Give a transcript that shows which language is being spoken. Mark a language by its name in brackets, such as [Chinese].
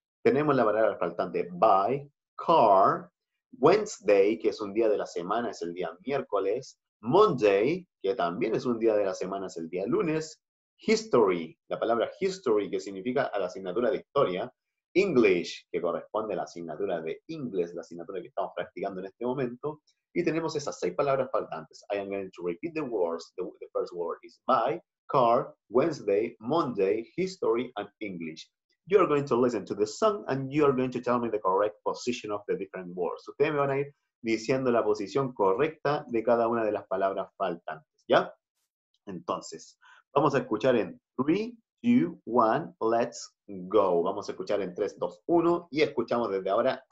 [Spanish] Tenemos la palabra faltante by, car, Wednesday, que es un día de la semana, es el día miércoles, Monday, que también es un día de la semana, es el día lunes, history, la palabra history, que significa a la asignatura de historia, English, que corresponde a la asignatura de inglés, la asignatura que estamos practicando en este momento, y tenemos esas seis palabras faltantes. [English] I am going to repeat the words. The first word is by, car, Wednesday, Monday, history, and English. You are going to listen to the song and you are going to tell me the correct position of the different words. [Spanish] Ustedes me van a ir diciendo la posición correcta de cada una de las palabras faltantes, ¿ya? Entonces, vamos a escuchar en 3, 2, 1, [English] let's go. [Spanish] Vamos a escuchar en 3, 2, 1 y escuchamos desde ahora.